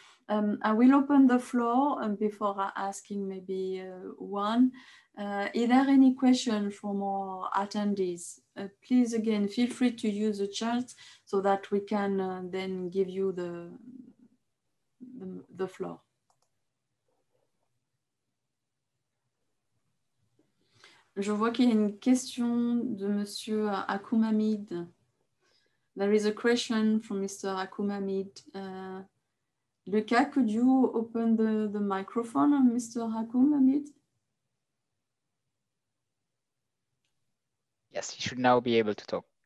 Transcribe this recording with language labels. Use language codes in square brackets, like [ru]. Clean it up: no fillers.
[en] I will open the floor before asking maybe one. Is there any question from our attendees? Please, again, feel free to use the chat so that we can then give you the floor. [fr] Je vois qu'il y a une question de Monsieur Akoumamid. [en] There is a question from Mr. Akoumamid. Lucas, could you open the microphone on Mr. Akoumamid? Yes, he should now be able to talk.